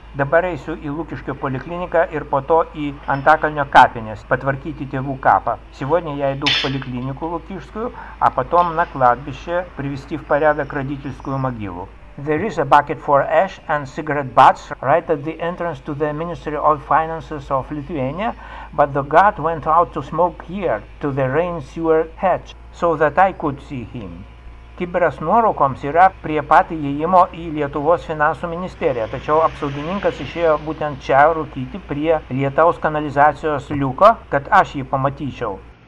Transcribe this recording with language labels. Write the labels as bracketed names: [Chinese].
[Lithuanian] Dabar eisiu į Lukiškių polikliniką ir po to į Antakalnio kapines, patvarkyti tėvų kapą. [Russian] Сегодня я иду в поликлинику Лукишскую, а потом на кладбище привести в порядок родительскую могилу. [English] There is a bucket for ash and cigarette butts right at the entrance to the Ministry of Finances of Lithuania, but the guard went out to smoke here, to the rain sewer hatch, so that I could see him. [Lithuanian] Kibiras nuorukoms yra prie pat įėjimo į Lietuvos finansų ministeriją, tačiau apsaugininkas išėjo būtent čia rūkyti prie lietaus kanalizacijos liuko, kad aš jį pamatyčiau.